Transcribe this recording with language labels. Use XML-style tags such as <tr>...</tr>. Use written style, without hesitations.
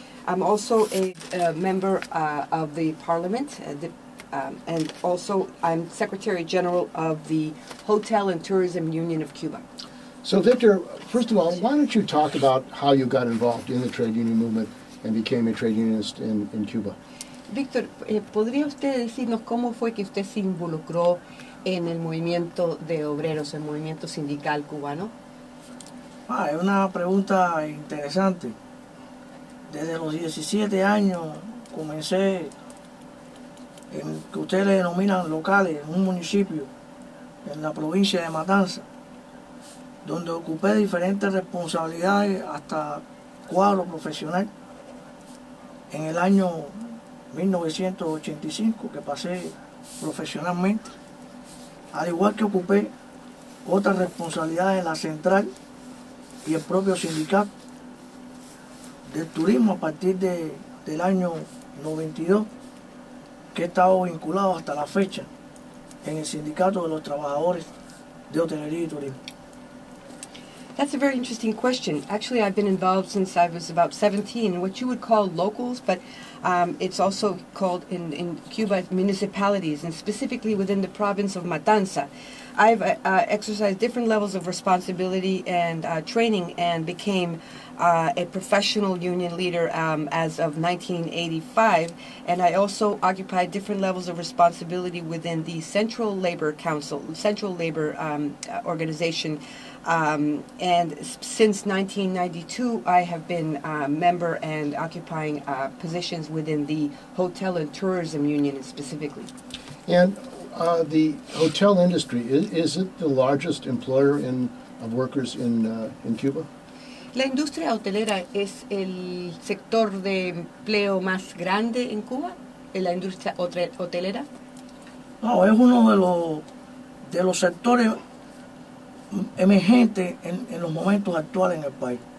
<en>I'm also a member of the Parliament, and also I'm Secretary General of the Hotel and Tourism Union of Cuba. So, Victor, first of all, why don't you talk about how you got involved in the trade union movement and became a trade unionist in Cuba?</en> <es>Víctor, ¿podría usted decirnos cómo fue que usted se involucró en el movimiento de obreros, el movimiento sindical cubano? Ah, es una pregunta interesante. Desde los 17 años comencé en que ustedes denominan locales, en un municipio, en la provincia de Matanzas, donde ocupé diferentes responsabilidades hasta cuadro profesional en el año 1985, que pasé profesionalmente, al igual que ocupé otras responsabilidades en la central y el propio sindicato del turismo a partir del año 92, que he estado vinculado hasta la fecha en el sindicato de los trabajadores de hotelería y turismo.</es> <en>That's a very interesting question. Actually, I've been involved since I was about 17 in what you would call locals, but it's also called in Cuba municipalities, and specifically within the province of Matanza. I've exercised different levels of responsibility and training and became a professional union leader as of 1985, and I also occupied different levels of responsibility within the Central Labor Council, Central Labor Organization. And since 1992, I have been a member and occupying positions within the Hotel and Tourism Union specifically. And the hotel industry, is it the largest employer of workers in Cuba?</en> <es>La industria hotelera es el sector de empleo más grande en Cuba, en la industria hotelera. No, es uno de los sectores emergentes en los momentos actuales en el país.</es>